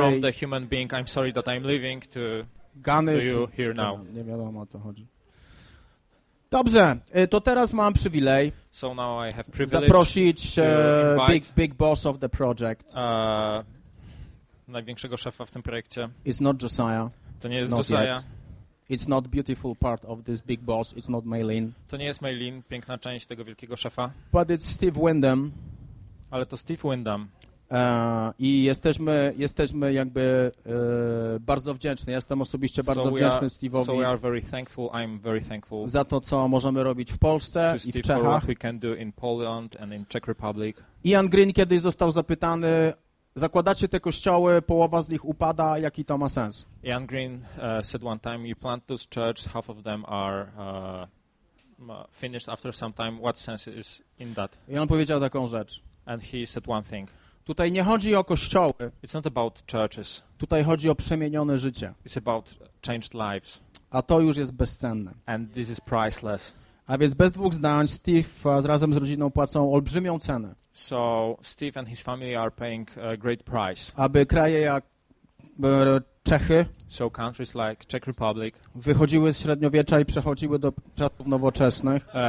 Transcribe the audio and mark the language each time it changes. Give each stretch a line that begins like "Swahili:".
English: From the human being, I'm sorry that I'm leaving to, Gany, to you here now.
Polish: Nie wiadomo, o co chodzi. Dobrze, to teraz mam przywilej
English: so now I have privilege
Polish: zaprosić
English: big boss of the project.
Polish: Największego szefa w tym projekcie.
English: It's not Josiah.
Polish: To nie jest
English: not Josiah. Yet. It's not beautiful part of this big boss. It's not Maylin.
Polish: To nie jest Maylin, piękna część tego wielkiego szefa.
English: But it's Steve Windham.
Polish: Ale to Steve Windham. I jesteśmy jakby bardzo wdzięczni. Jestem osobiście bardzo wdzięczny Steve'owi.
English: So we are very thankful. I'm very thankful.
Polish: Za to, co możemy robić w Polsce i w Czechach.
English: What we can do in Poland and in Czech Republic.
Polish: Ian Green kiedyś został zapytany. Zakładacie te kościoły, połowa z nich upada, jaki to ma sens?
English: Ian Green said one time, you plant those churches, half of them are finished after some time. What sense is in that?
Polish: I on powiedział taką rzecz.
English: And he said one thing.
Polish: Tutaj nie chodzi o kościoły.
English: It's not about churches.
Polish: Tutaj chodzi o przemienione życie.
English: It's about changed lives.
Polish: A to już jest bezcenne.
English: And this is priceless.
Polish: A więc bez dwóch zdań, Steve razem z rodziną płacą olbrzymią cenę.
English: So Steve and his family are paying a great price.
Polish: Aby kraje jak Czechy,
English: so countries like Czech Republic,
Polish: wychodziły z średniowiecza i przechodziły do czasów nowoczesnych.